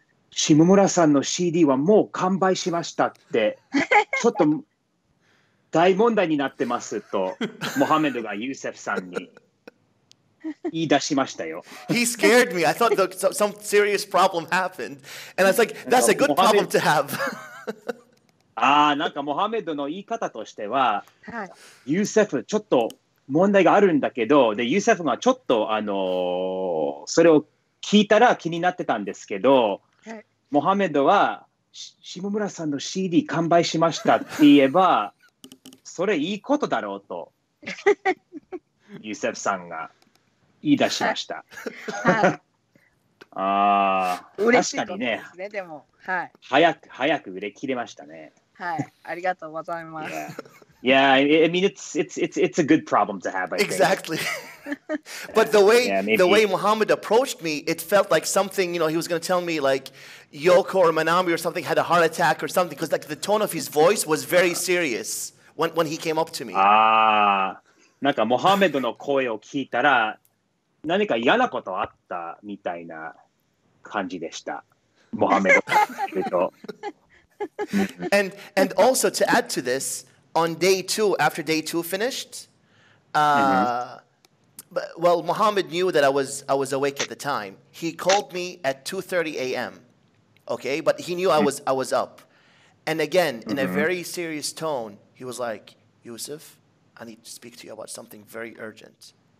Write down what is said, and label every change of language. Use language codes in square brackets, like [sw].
[ja] 下村さんの CD はもう完売しましたってちょっと大問題になってますとモハメドがユーセフさんに言い出しましたよ。 [en] He scared me. I thought some serious problem happened. And I was like, that's a good problem to have. [ja] ああ、なんかモハメドの言い方としては、はい、ユーセフちょっと問題があるんだけど、でユーセフがちょっとそれを聞いたら気になってたんですけど、はい、モハメドは下村さんの CD 完売しましたって言えばそれいいことだろうとユセフさんが言い出しました。はい、ああ、嬉しいことですね。確かにね、でも、はい、早く売れ切れましたね。はい、ありがとうございます。 [en] Yeah, I mean, it's a good problem to have, I think. Exactly. But the way Mohammed approached me, it felt like something, you know, he was going to tell me like Yoko or Manami or something had a heart attack or something, because like the tone of his voice was very serious when he came up to me. [ja] Ah, なんかモハメドの声を聞いたら何か嫌なことあったみたいな感じでした、モハメド。 [en] And also to add to this,On day two, after day two finished, Mohammed knew that I was awake at the time. He called me at 2:30 a.m., okay? But he knew I was up. And again, in a very serious tone, he was like, "Yusuf, I need to speak to you about something very urgent."